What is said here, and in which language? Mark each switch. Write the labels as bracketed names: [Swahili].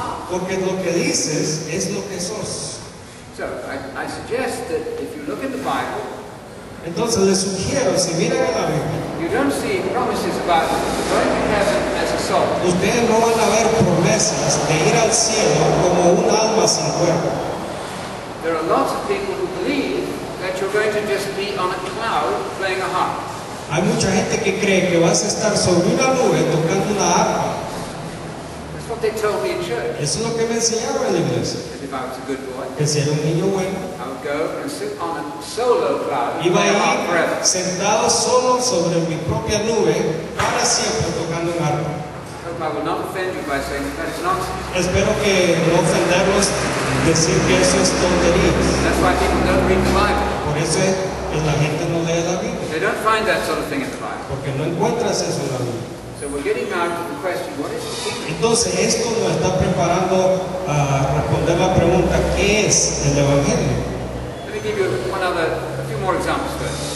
[Spanish] porque lo que dices es lo que sos. [English] So, I suggest that if you look in the Bible, [Spanish] entonces les sugiero, si miran en la Biblia, [English] You don't see promises about going to heaven as a soul. [Spanish] Ustedes no van a ver promesas de ir al cielo como un alma sin cuerpo. [English] There are lots of people who believe that you're going to just be on a cloud playing a harp. [Spanish] Hay mucha gente que cree que vas a estar sobre una nube tocando una arpa. [English] That's what they told me in church. [Spanish] Eso es lo que me enseñaron en la iglesia. [English] And if I was a good boy, [Spanish] que si era un niño bueno, [English] I would go and sit on a solo cloud. [Spanish] Iba a ir sentado solo sobre mi propia nube para siempre tocando un arpa. [English] I will not offend you by saying that it's nonsense. [Spanish] Espero que no ofenderlos decir que eso es tontería. [English] That's why people don't read the Bible. [Spanish] Por eso es que la gente no lee la Biblia. [English] They don't find that sort of thing in the Bible. [Spanish] Porque no encuentras eso en la Biblia. [English] So we're getting now to the question, what is the kingdom? [Spanish] Entonces esto nos está preparando a responder la pregunta, ¿qué es el Evangelio? [English] Let me give you a few more examples first.